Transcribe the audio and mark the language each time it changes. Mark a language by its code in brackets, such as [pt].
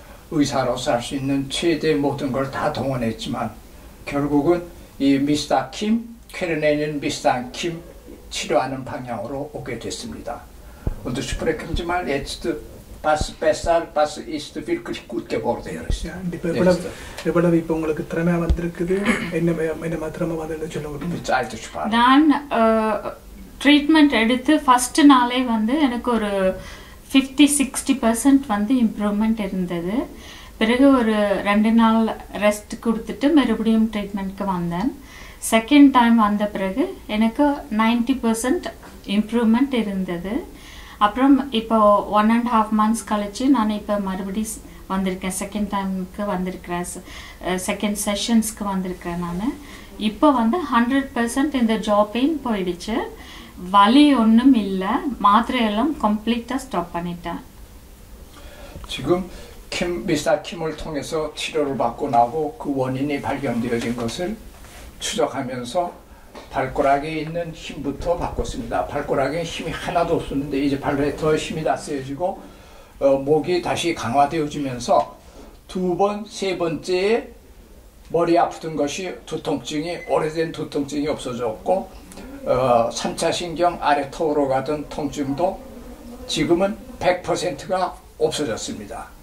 [ko] 의사로서 할 수 있는 최대 모든 걸 다 동원했지만 결국은 이 미스터 김, 캐런에는 미스터 김 치료하는 방향으로 오게 됐습니다. 오늘 슈프레캄지만 예츠드 바스 베살 바스 이스트 빌크리 굿게 보르데요. 이번에 이 봉을 그 드라마 만들었거든. 이번에 드라마 만들는 줄로 그런데 짧게 슈퍼. 난 [ta] treatment எடுத்து first நாளே வந்து எனக்கு ஒரு 50-60% வந்து இம்ப்ரூவ்மெண்ட் இருந்தது. பிறகு ஒரு ரெண்டு நாள் ரெஸ்ட் கொடுத்துட்டு மறுபடியும் ட்ரீட்மெண்ட்டுக்கு வந்தேன். செகண்ட் டைம் வந்த பிறகு எனக்கு 90% இம்ப்ரூவ்மெண்ட் இருந்தது. அப்புறம் இப்போ 1.5 months கழித்து நான் இப்போ மறுபடியும் வந்திருக்கேன், செகண்ட் டைமுக்கு வந்திருக்கிறேன், செகண்ட் செஷன்ஸ்க்கு வந்திருக்கிறேன். நான் இப்போ வந்து 100% இந்த ஜாப்பெயின் போயிடுச்சு, வலி ஒன்றும் இல்லை, மாத்திரையெல்லாம் கம்ப்ளீட்டாக ஸ்டாப் பண்ணிட்டேன். [ko] 지금 김 미사 김을 통해서 치료를 받고 나고 그 원인이 발견되어진 것을 추적하면서 발가락에 있는 힘부터 바꿨습니다. 발가락에 힘이 하나도 없었는데 이제 발에 더 힘이 다 쓰여지고 목이 다시 강화되어지면서 두 번, 세 번째에 머리 아프던 것이 두통증이 오래된 두통증이 없어졌고 3차 신경 아래 턱으로 가던 통증도 지금은 100%가 없어졌습니다.